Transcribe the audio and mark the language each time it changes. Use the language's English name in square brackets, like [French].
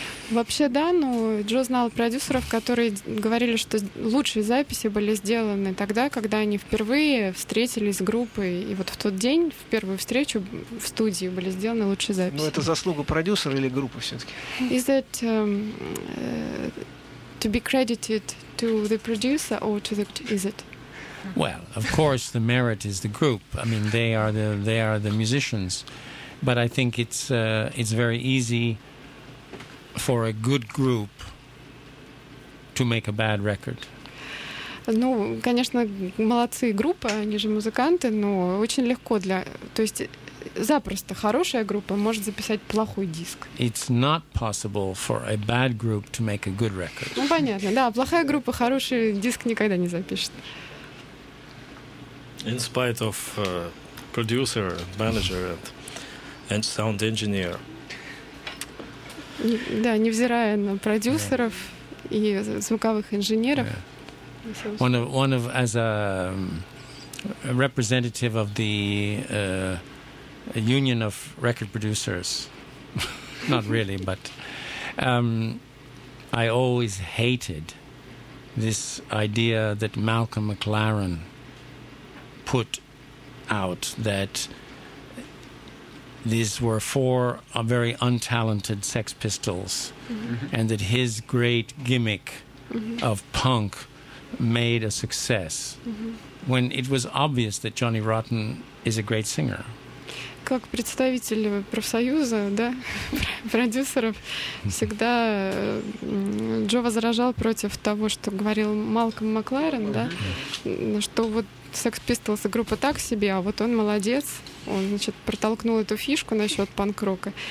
[Russian] Вообще, да, но Джо знал продюсеров, которые говорили, что лучшие записи были сделаны тогда, когда они впервые встретились с группой, и вот в тот день, в первую встречу в студии были сделаны лучшие записи. Но это заслуга продюсера или группы все-таки? [English] Is that to be credited to the producer or to the... Is it? Well, of course, the merit is the group. I mean, they are the musicians. But I think it's very easy for a good group to make a bad record. [Russian] Ну, конечно, молодцы группа, они же музыканты, но очень легко для, то есть запросто хорошая группа может записать плохой диск. [English] It's not possible for a bad group to make a good record. [Russian] Ну понятно, да, плохая группа хороший диск никогда не запишет. [English] In spite of producer, manager and sound engineer. [Russian] Да, невзирая на продюсеров и звуковых инженеров. [English] One of as a representative of the union of record producers, not really, but I always hated this idea that Malcolm McLaren put out that these were four very untalented Sex Pistols, mm-hmm. and that his great gimmick mm-hmm. of punk made a success mm-hmm. when it was obvious that Johnny Rotten is a great singer. [Russian] Как представитель профсоюза, да, продюсеров, всегда Джо возражал против того, что говорил Малком Макларен, да, что вот Sex Pistols и группа так себе, а вот он молодец, он, значит, протолкнул эту фишку насчет панк-рока.